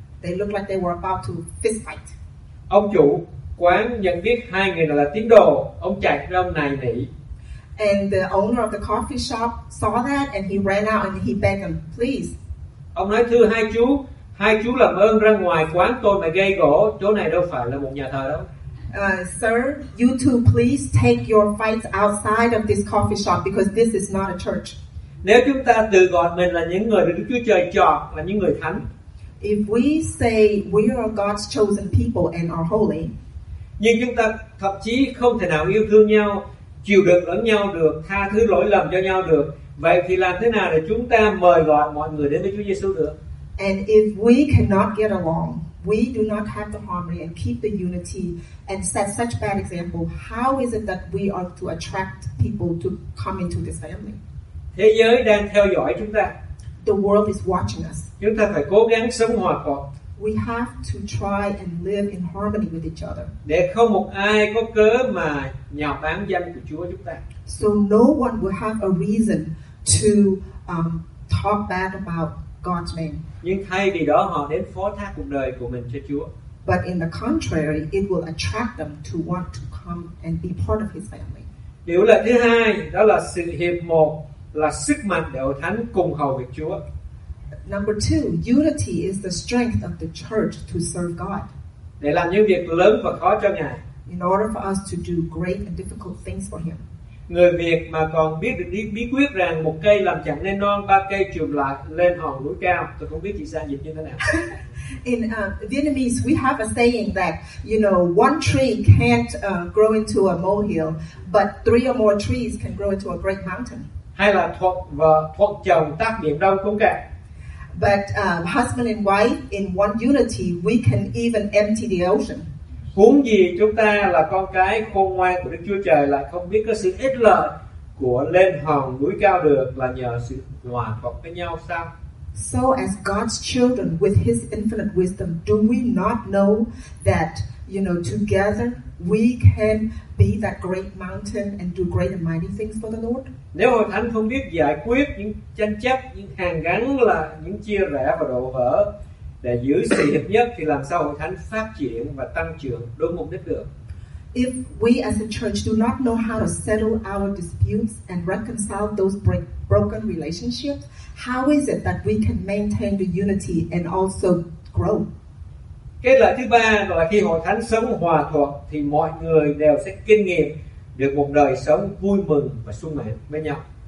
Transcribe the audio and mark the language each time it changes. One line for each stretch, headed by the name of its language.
English: They looked like they were about to fist fight.
Vietnamese: Ông chủ quán nhận biết hai người là tín đồ, ông chạy ra ông nài nỉ.
English: And the owner of the coffee shop saw that and he ran out and he begged them, please.
Vietnamese: Ông nói thưa hai chú làm ơn ra ngoài quán tôi mà gây gỗ, chỗ này đâu phải là một nhà thờ đâu.
English: Sir, you two please take your fights outside of this coffee shop because this is not a church.
Vietnamese: Nếu chúng ta tự gọi mình là những người được Đức Chúa Trời chọn, là những người thánh.
English: If we say we are God's chosen people and are holy.
Vietnamese: Nhưng chúng ta thậm chí không thể nào yêu thương nhau, chịu đựng lẫn nhau được, tha thứ lỗi lầm cho nhau được. Vậy thì làm thế nào để chúng ta mời gọi mọi người đến với Chúa Giêsu được?
English: And if we cannot get along, we do not have the harmony and keep the unity and set such bad example, how is it that we are to attract people to come into this family?
Vietnamese: Thế giới đang theo dõi chúng ta.
English: The world is watching us.
Vietnamese: Chúng ta phải cố gắng sống hòa hợp.
English: We have to try and live in harmony with each other.
Vietnamese: Để không một ai có cớ mà nhạo báng danh của Chúa chúng ta.
English: So no one will have a reason to talk bad about God's name.
Vietnamese: Nhưng thay vì đó họ đến phó thác cuộc đời của mình cho Chúa.
English: But in the contrary, it will attract them to want to come and be part of His family.
Vietnamese: Điều là thứ hai, đó là sự hiệp một là sức mạnh để hội thánh cùng hầu việc Chúa.
English: Number two, unity is the strength of the church to serve God.
Vietnamese: Để làm những việc lớn và khó cho Ngài.
English: In order for us to do great and difficult things for Him.
Vietnamese: Người Việt mà còn biết được bí quyết rằng một cây làm chẳng nên non, ba cây chùm lại lên hòn núi cao. Tôi không biết chị sang dịch như thế nào.
English: In Vietnamese, we have a saying that, you know, one tree can't grow into a molehill, but three or more trees can grow into a great mountain.
Vietnamese: Hay là thuận chồng tác nghiệp đâu cũng cả.
English: But husband and wife, in one unity, we can even empty the ocean.
Vietnamese: Huống gì chúng ta là con cái khôn ngoan của Đức Chúa Trời lại không biết có sự ích lợi của lên hòn núi cao được là nhờ sự hòa hợp với nhau sao?
English: So as God's children with His infinite wisdom, do we not know that, you know, together we can be that great mountain and do great and mighty things for the Lord?
Vietnamese: Nếu hội thánh không biết giải quyết những tranh chấp, những hàn gắn là những chia rẽ và đổ vỡ để giữ sự hiệp nhất thì làm sao hội thánh phát triển và tăng trưởng đúng mục đích được?
English: If we as a church do not know how to settle our disputes and reconcile those broken relationships, how is it that we can maintain the unity and also grow?
Vietnamese: Cái lợi thứ ba là khi hội thánh sống hòa thuận thì mọi người đều sẽ kinh nghiệm được một đời sống vui mừng và sung mãn với nhau.